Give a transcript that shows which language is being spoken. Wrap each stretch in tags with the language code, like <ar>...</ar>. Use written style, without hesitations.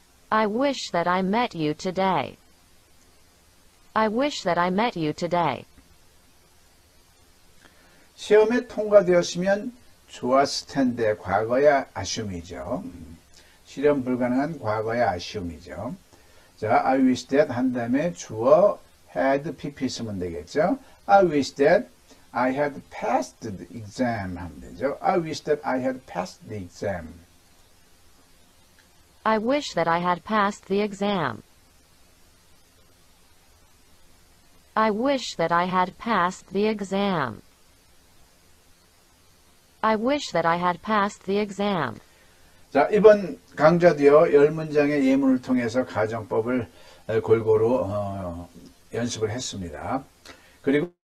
<en>I wish that I met you today. I wish that I met you today.</en> <ko>시험에 통과되었으면 좋았을 텐데 과거의 아쉬움이죠. 실현 불가능한 과거의 아쉬움이죠. 자,</ko> <en>I wish that</en> <ko>한 다음에 주어 had pp 쓰면 되겠죠.</ko> <en>I wish that I had passed the exam</en> <ko>하면 되죠.</ko> <en>I wish that I had passed the exam. I wish that I had passed the exam. I wish that I had passed the exam. I wish that I had passed the exam.</en> <ko>자, 이번 강좌도요, 열 문장의 예문을 통해서 가정법을 골고루 연습을 했습니다. 그리고</ko>